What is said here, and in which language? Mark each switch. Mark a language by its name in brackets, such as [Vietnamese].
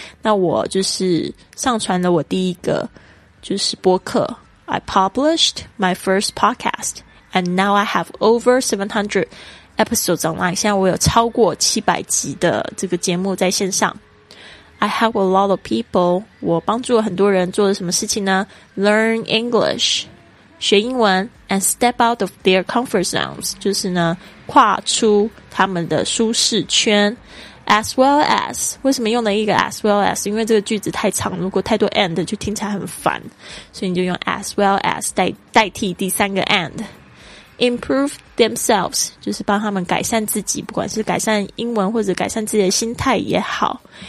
[Chinese] 那我就是上传了我第一个就是播客。 [English] I published my first podcast, and now I have over 700 episodes online. [Chinese] 现在我有超过700集的这个节目在线上。 [English] I help a lot of people. [Chinese] 我帮助了很多人做了什么事情呢？ [English] Learn English, [Chinese] 学英文 [English] and step out of their comfort zones. [Chinese] 就是呢，跨出他们的舒适圈。 [English] As well as, [Chinese] 为什么用了一个 [English] as well as? [Chinese] 因为这个句子太长，如果太多 and 就听起来很烦，所以你就用 as well as 代替第三个 and. [English] Improve themselves, [Chinese] 就是帮他们改善自己，不管是改善英文或者改善自己的心态也好。